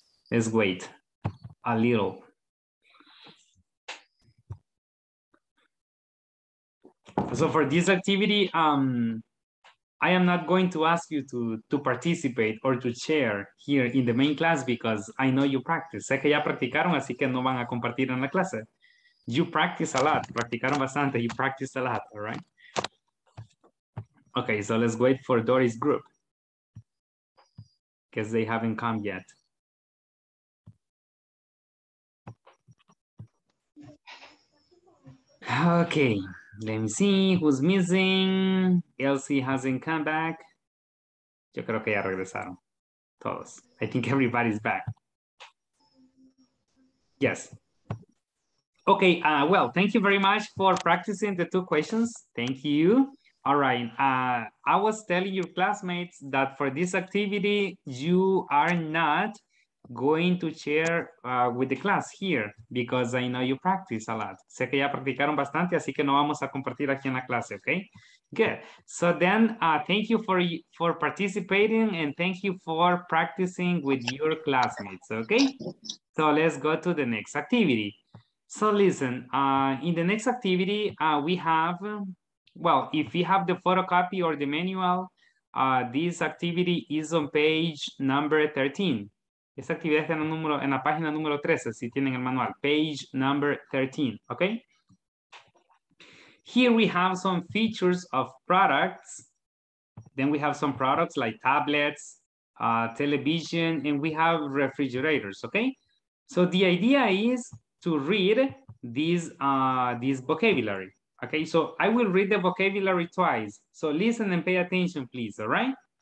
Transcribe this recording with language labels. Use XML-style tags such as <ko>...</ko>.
<en>Let's wait a little. So for this activity, I am not going to ask you to participate or to share here in the main class because I know you practice.</en> <es>Sé que ya practicaron, así que no van a compartir en la clase.</es> <en>You practice a lot.</en> <es>Practicaron bastante.</es> <en>You practice a lot, all right? Okay, so let's wait for Dory's group. Because they haven't come yet. Okay. Let me see who's missing. Elsie hasn't come back.</en> <es>Yo creo que ya regresaron todos.</es> <en>I think everybody's back. Yes. Okay, well, thank you very much for practicing the two questions. Thank you. All right. I was telling your classmates that for this activity, you are not going to share with the class here because I know you practice a lot.</en> <es>Sé que ya practicaron bastante, así que no vamos a compartir aquí en la clase, okay?</es> <en>Good. So then, thank you for participating and thank you for practicing with your classmates, okay? So let's go to the next activity. So listen, in the next activity, we have, well, if you have the photocopy or the manual, this activity is on page number 13.</en> <es>Esta actividad está en la página número 13, si tienen el manual,</es> <en>page number 13,</en> <es>okay?</es> <en>Here we have some features of products. Then we have some products like tablets, television, and we have refrigerators, okay? So the idea is to read this vocabulary, okay? So I will read the vocabulary twice. So listen and pay attention, please, all right?</en>